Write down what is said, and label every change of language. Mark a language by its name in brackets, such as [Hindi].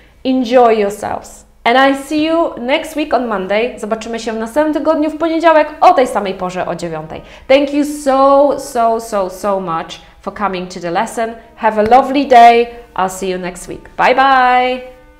[English] Enjoy yourselves. And I see you next week on Monday. [Polish] Zobaczymy się w następnym tygodniu w poniedziałek o tej samej porze o 9:00. [English] Thank you so much for coming to the lesson. Have a lovely day. I'll see you next week. Bye bye.